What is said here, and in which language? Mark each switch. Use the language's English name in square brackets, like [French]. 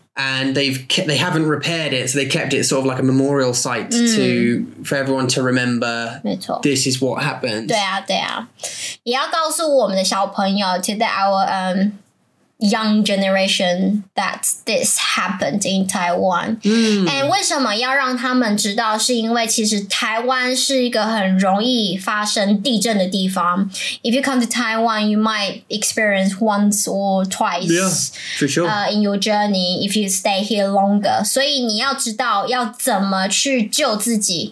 [English] And they haven't repaired it, so they kept it sort of like a memorial site for everyone to remember. [Chinese] 没错。 [English] This is what happened. [Chinese] 对啊，对啊。也要告诉我们的小朋友 [English] to our young generation that this happened in Taiwan. And [Chinese] 为什么要让他们知道，是因为其实台湾是一个很容易发生地震的地方。 [English] If you come to Taiwan, you might experience once or twice. Yeah, for sure. In your journey, if you stay here longer. [Chinese] 所以你要知道要怎么去救自己。